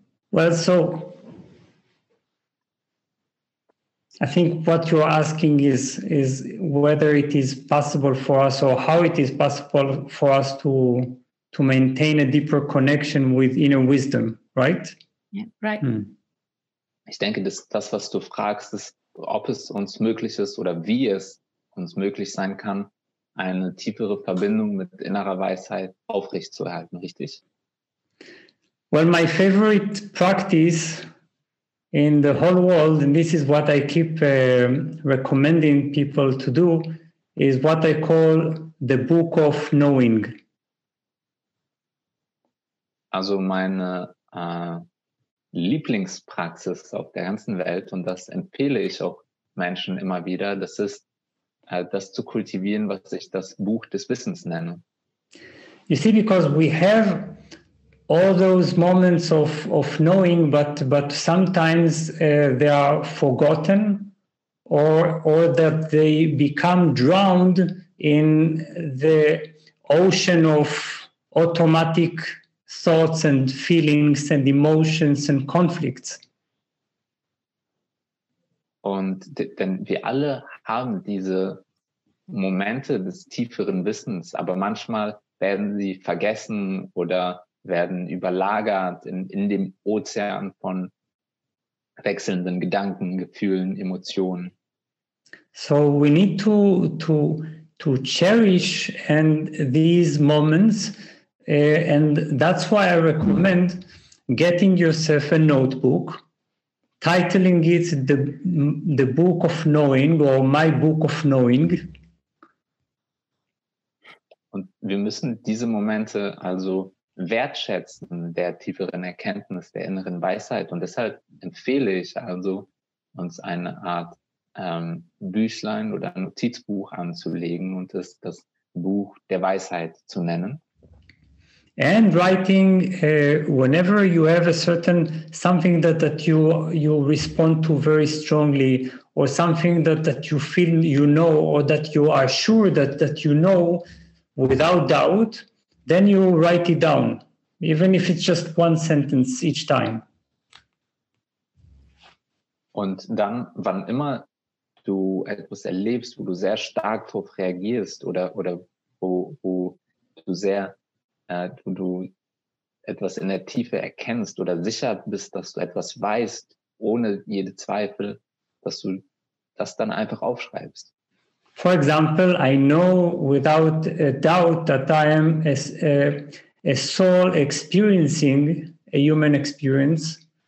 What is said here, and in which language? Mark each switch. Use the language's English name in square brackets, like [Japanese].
[English] Well, so I think what you're asking is whether it is possible for us or how it is possible for us to maintain a deeper connection with inner wisdom, right? Yeah, right. Hmm. [German] Ich denke, das was du fragst, ist, ob es uns möglich ist oder wie es uns möglich sein kann, eine tiefere Verbindung mit innerer Weisheit aufrechtzuerhalten, richtig? [English] Well, my favorite practice in the whole world, and this is what I keep recommending people to do, is what I call the Book of Knowing. [German] Also meine Lieblingspraxis auf der ganzen Welt, und das empfehle ich auch Menschen immer wieder, das ist, das zu kultivieren, was ich das Buch des Wissens nenne. [English] You see, because we have all those moments of knowing, but sometimes they are forgotten or that they become drowned in the ocean of automatic thoughts and feelings and emotions and conflicts. [German] Und denn wir alle haben diese Momente des tieferen Wissens, aber manchmal werden sie vergessen oder werden überlagert in dem Ozean von wechselnden Gedanken, Gefühlen, Emotionen. [English] So we need to cherish and these moments, and that's why I recommend getting yourself a notebook, titling it the Book of Knowing or My Book of Knowing. [German] Und wir müssen diese Momente also wertschätzen, der tieferen Erkenntnis, der inneren Weisheit. Und deshalb empfehle ich also, uns eine Art Büchlein oder Notizbuch anzulegen und es das Buch der Weisheit zu nennen. [English] And writing whenever you have a certain something that you respond to very strongly, or something that you feel you know, or that you are sure that you know without doubt, then you write it down, even if it's just one sentence each time. [German] Und dann, wann immer du etwas erlebst, wo du sehr stark darauf reagierst oder wo du sehr, du etwas in der Tiefe erkennst oder sicher bist, dass du etwas weißt, ohne jede Zweifel, dass du das dann einfach aufschreibst. [English] For example, I know without a doubt that I am a soul experiencing a human experience.